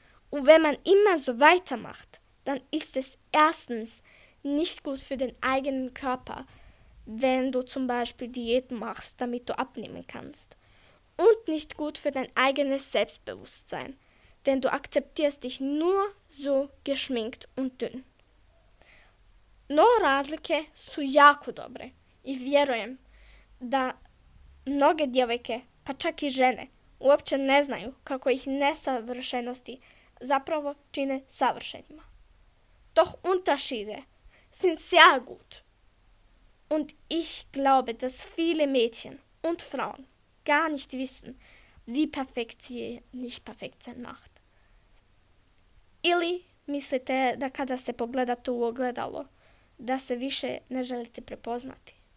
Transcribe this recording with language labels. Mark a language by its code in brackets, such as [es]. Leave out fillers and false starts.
[de] Und wenn man immer so weitermacht, dann ist es erstens nicht gut für den eigenen Körper, wenn du zum Beispiel Diäten machst, damit du abnehmen kannst. Und nicht gut für dein eigenes Selbstbewusstsein, denn du akzeptierst dich nur so geschminkt und dünn. [hr] No razlike su jako dobre i vjerujem da mnoge djevojke, pa čak i žene, uopće ne znaju kako ih nesavršenosti zapravo čine savršenima. [de] Doch Unterschiede sind sehr gut. Und ich glaube, dass viele Mädchen und Frauen gar nicht wissen, wie perfekt sie nicht perfekt sein macht. [hr] Ili mislite da kada se pogledate u ogledalo, da se više ne želite prepoznati.